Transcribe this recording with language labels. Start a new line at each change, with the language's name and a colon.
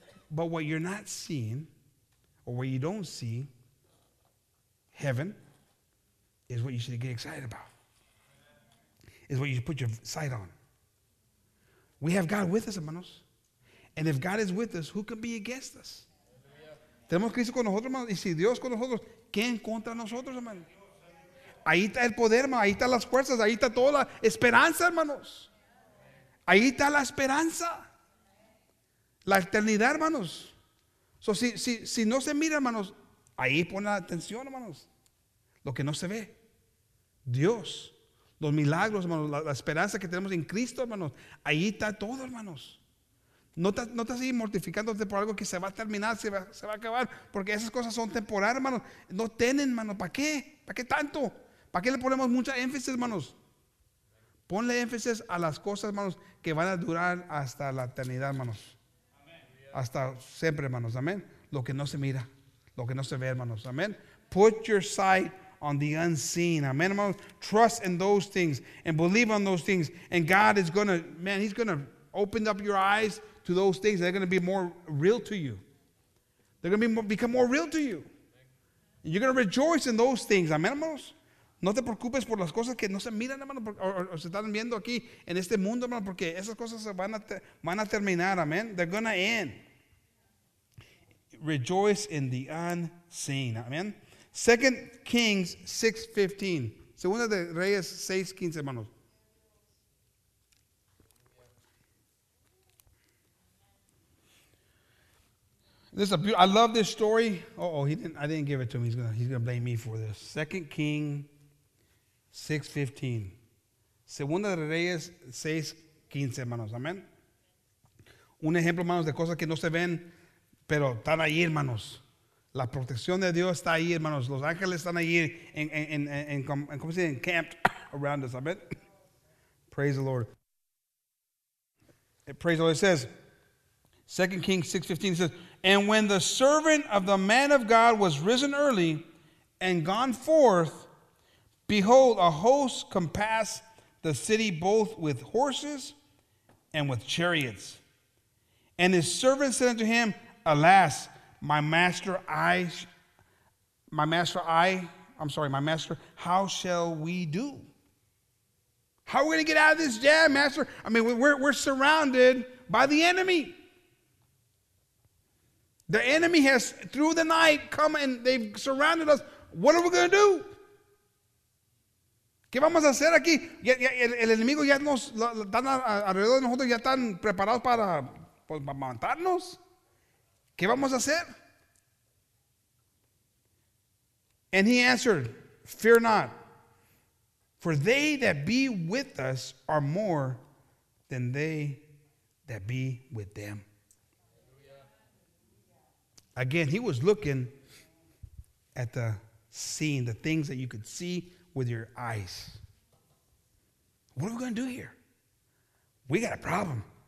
English: But what you're not seeing or what you don't see, heaven, is what you should get excited about. Is what you should put your sight on. We have God with us, hermanos. And if God is with us, who can be against us?
Spanish: Tenemos Cristo con nosotros, hermanos. Y si Dios con nosotros, ¿quién contra nosotros, hermanos? Ahí está el poder, hermano. Ahí están las fuerzas. Ahí está toda la esperanza, hermanos. Ahí está la esperanza. La eternidad, hermanos. So, si no se mira, hermanos, ahí pone la atención, hermanos. Lo que no se ve. Dios. Los milagros, hermanos. La esperanza que tenemos en Cristo, hermanos. Ahí está todo, hermanos. No estás ahí mortificándote por algo que se va a terminar, se va a acabar. Porque esas cosas son temporales, hermanos. No tienen, hermanos. ¿Para qué? ¿Para qué tanto? ¿Para qué le ponemos mucha énfasis, hermanos? Ponle énfasis a las cosas, hermanos, que van a durar hasta la eternidad, hermanos. Hasta siempre, hermanos. Amén. Lo que no se mira, lo que no se ve, hermanos.
English: Amén. Put your sight on the unseen. Amén, hermanos. Trust in those things and believe on those things. And God is going to, man, he's going to open up your eyes to those things. They're going to be more real to you. They're going to become more real to you. And you're going to rejoice in those things.
Spanish: Amén, hermanos. No te preocupes por las cosas que no se miran, hermano, o se están viendo aquí en este mundo, hermano, porque esas cosas van a terminar, amén.
English: They're going to end. Rejoice in the unseen, amén. 2 Kings 6:15.
Spanish: Segunda de Reyes 6:15, hermanos.
English: This is a beautiful, I love this story. Uh-oh, I didn't give it to him. He's going to blame me for this. 2 Kings 6:15.
Spanish: Segunda de Reyes 6:15, hermanos. Amén. Un ejemplo, hermanos, de cosas que no se ven, pero están ahí, hermanos. La protección de Dios está ahí, hermanos. Los ángeles están ahí en ¿cómo se dice?
English: Encamped around us. Amén. Praise the Lord. Praise the Lord. It says, 2 Kings 6:15 says, "And when the servant of the man of God was risen early and gone forth, behold, a host compassed the city both with horses and with chariots. And his servant said unto him, Alas, my master, how shall we do?" How are we going to get out of this jam, master? I mean, we're surrounded by the enemy. The enemy has, through the night, come and they've surrounded us. What are we going to do?
Spanish: ¿Qué vamos a hacer aquí? El enemigo ya nos están alrededor de nosotros, ya están preparados para matarnos. ¿Qué vamos a hacer?
English: And he answered, "Fear not, for they that be with us are more than they that be with them." Again, he was looking at the scene, the things that you could see with your eyes. What are we going to do here? We got a problem.